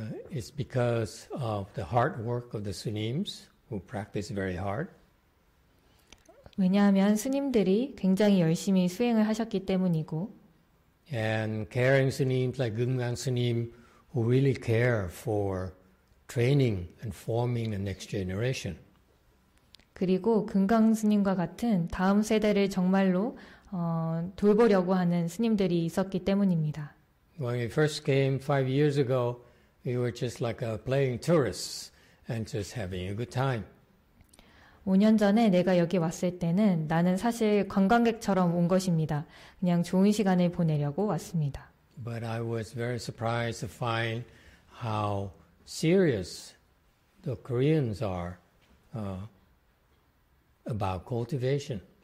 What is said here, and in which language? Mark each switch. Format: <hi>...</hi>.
<en>It's because of the hard work of the sunims who practice very hard.</en> <ko>왜냐하면 스님들이 굉장히 열심히 수행을 하셨기 때문이고</ko> <en>And caring Sunim, like Gumgang Sunim, who really care for training and forming the next generation.</en> <ko>그리고 금강 스님과 같은 다음 세대를 정말로 돌보려고 하는 스님들이 있었기 때문입니다.</ko> <en>When we first came 5 years ago, we were just like a playing tourists and just having a good time.</en> <ko>5년 전에 내가 여기 왔을 때는 나는 사실 관광객처럼 온 것입니다. 그냥 좋은 시간을 보내려고 왔습니다.</ko> <en>But I was very surprised to find how serious the Koreans are about cultivation.</en>